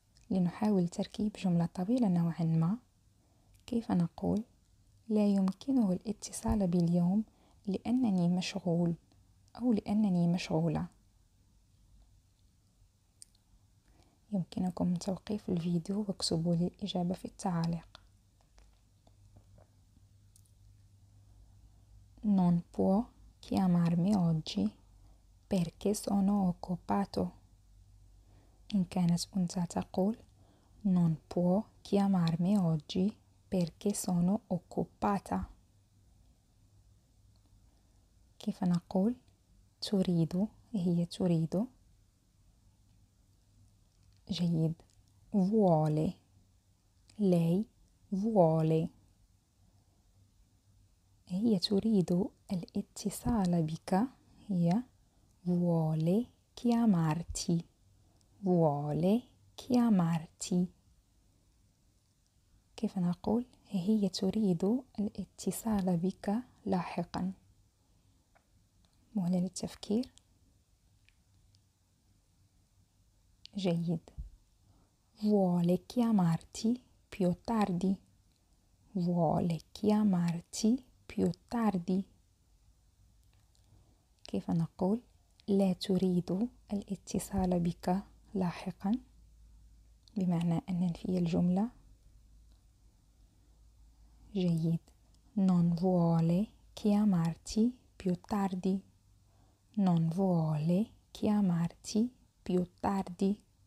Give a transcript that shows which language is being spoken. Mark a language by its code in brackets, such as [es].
[ar] لنحاول تركيب جملة طويلة نوعا ما. كيف نقول لا يمكنه الاتصال بي اليوم لأنني مشغول أو لأنني مشغولة؟ يمكنكم توقيف الفيديو واكتبوا لي الإجابة في التعليق. [it] Non può chiamarmi oggi perché sono occupato. [ar] إن كانت أنت تقول [it] Non può chiamarmi oggi perché sono occupata. [ar] كيف نقول تريد هي تريد؟ جيد. [it] Vuole. Lei vuole. [ar] هي تريد الاتصال بك. [it] هي vuole chiamarti. Vuole chiamarti. [ar] كيف نقول هي تريد الاتصال بك لاحقا؟ مهلة للتفكير. جيد. [it] Vuole chiamarti più tardi. Vuole chiamarti più tardi. [ar] كيف نقول لا تريد الاتصال بك لاحقا؟ بمعنى أن ننفي الجملة. جيد. [it] Non vuole chiamarti più tardi. Non vuole chiamarti più tardi.